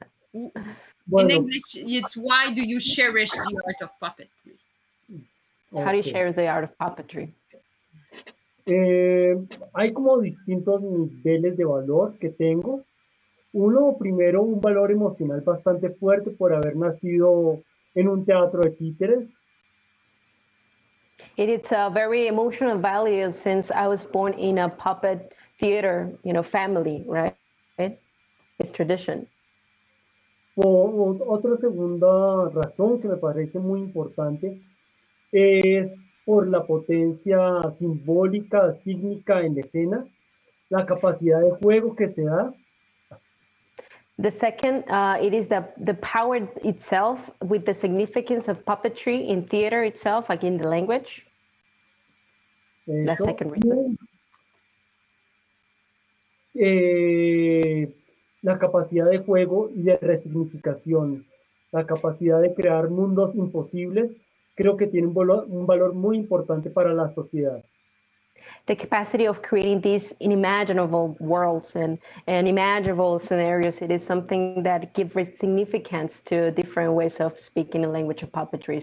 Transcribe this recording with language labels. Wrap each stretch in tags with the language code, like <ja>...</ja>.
<en>Bueno. In English, it's why do you cherish the art of puppetry? Okay. How do you cherish the art of puppetry?</en> <es>Hay como distintos niveles de valor que tengo. Uno, primero, un valor emocional bastante fuerte por haber nacido en un teatro de títeres.</es> <en>It is a very emotional value since I was born in a puppet theater, you know, family, right? It's tradition.</en> <es>Otra segunda razón que me parece muy importante es por la potencia simbólica, sígnica en la escena, la capacidad de juego que se da.</es> <en>The second, it is the power itself with the significance of puppetry in theater itself, like in the language.</en> <es>Eso.</es> <en>The second reason.</en> <es>La capacidad de juego y de resignificación, la capacidad de crear mundos imposibles, creo que tiene un valor muy importante para la sociedad.</es> <en>The capacity of creating these unimaginable worlds and imaginable scenarios, it is something that gives significance to different ways of speaking the language of puppetry.</en>